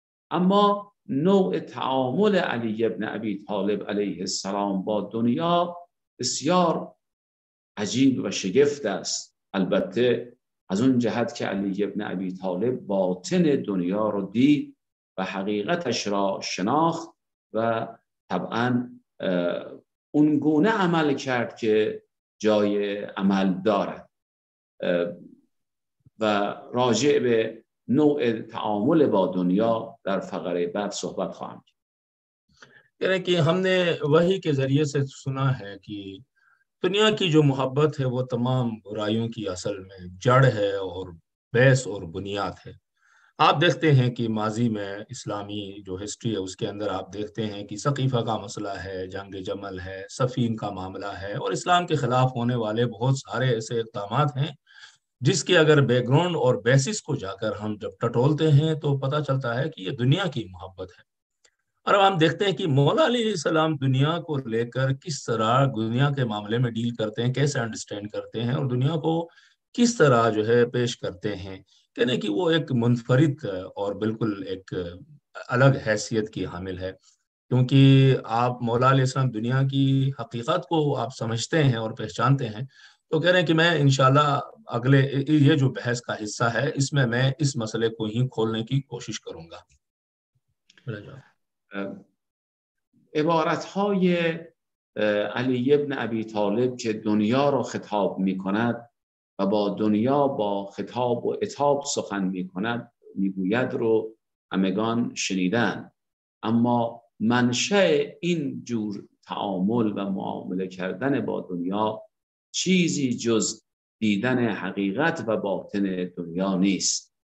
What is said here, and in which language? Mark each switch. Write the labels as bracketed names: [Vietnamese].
[Persian] اما نوع تعامل علی ابن ابی طالب علیه السلام با دنیا بسیار عجیب و شگفت است، البته از اون جهت که علی ابن ابی طالب باطن دنیا رو دید و حقیقتش را شناخت و طبعا اون گونه عمل کرد که جای عمل دارد. و راجع به نوع تعامل با دنیا در فقره بعد صحبت خواهم کرد. [Urdu] یعنی که همنے وحی کے ذریعے سے سنا ہے کہ دنیا کی جو محبت ہے وہ تمام برائیوں کی اصل میں جڑ ہے اور بیس اور بنیاد ہے. آپ دیکھتے ہیں کہ ماضی میں اسلامی جو ہسٹری ہے اس کے اندر آپ دیکھتے ہیں کہ سقیفہ کا مسئلہ ہے، جنگ جمل ہے، سفین کا معاملہ ہے اور اسلام کے خلاف ہونے والے بہت سارے ایسے اقدامات ہیں جس کے اگر بیک گراؤنڈ اور بیسس کو جا کر ہم جب ٹٹولتے ہیں تو پتہ چلتا ہے کہ یہ دنیا کی محبت ہے. اور اب ہم دیکھتے ہیں کہ مولا علیہ السلام دنیا کو لے کر کس طرح دنیا کے معاملے میں ڈیل کرتے ہیں، کیسے انڈرسٹینڈ کرتے ہیں اور دنیا کو کس طرح جو ہے پیش کرتے ہیں، کہنے کی وہ ایک منفرد اور بالکل ایک الگ حیثیت کی حامل ہے. کیونکہ آپ مولا علیہ السلام دنیا کی حقیقت کو آپ سمجھتے ہیں اور پہچانتے ہیں تو کہہ رہے ہیں کہ میں انشاءاللہ اگلے یہ جو بحث کا حصہ ہے اس میں میں اس مسئلے کو ہی کھولنے کی کوشش کروں گا. [Persian] عبارت‌های علی ابن ابی طالب که دنیا رو خطاب می‌کند و با دنیا با خطاب و عتاب سخن می‌کند می‌گوید رو همگان شنیدن. اما منشأ این جور تعامل و معامله کردن با دنیا چیزی جز دیدن حقیقت و باطن دنیا نیست.